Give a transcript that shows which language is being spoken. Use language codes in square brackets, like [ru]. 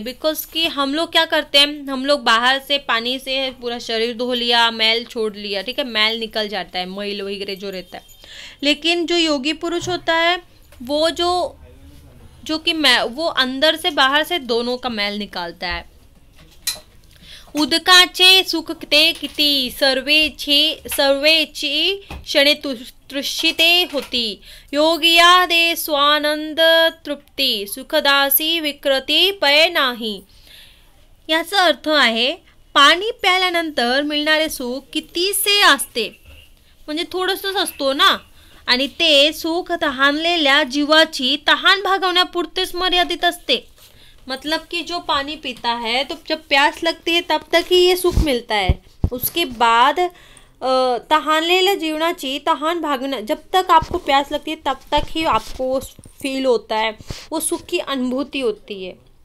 [hi] Because कि हम लोग क्या करते हैं, हम लोग बाहर से पानी से पूरा शरीर धो लिया, मैल छोड़ लिया, ठीक है, मैल निकल जाता है, मैल वगैरह जो रहता है, लेकिन जो योगी पुरुष होता है वो जो कि मैं वो अंदर से बाहर से दोनों का मैल निकालता है, [mr] उदकाचे सुकते किती, सर्वेची क्षणे तुष्टे होती, योगिया दे स्वानंद तृप्ती, सुखदासी विक्रती पय नाही। याचा अर्थ आहे, पाणी प्यायल्यानंतर मिळणारे सुख कितीसे असते, म्हणजे थोडंसंच असतो ना, आणि ते सुख तहानलेल्या जीवाची तहान भागवण्यापुरतेच मर्यादित असते। [hi] मतलब कि जो पानी पीता है तो जब प्यास लगती है तब तक ही ये सुख मिलता है, उसके बाद [mr] तहानलेल्या जीवनाची तहान [hi] भागना, जब तक आपको प्यास लगती है तब तक ही आपको वो फील होता है, वो सुख की अनुभूति होती है।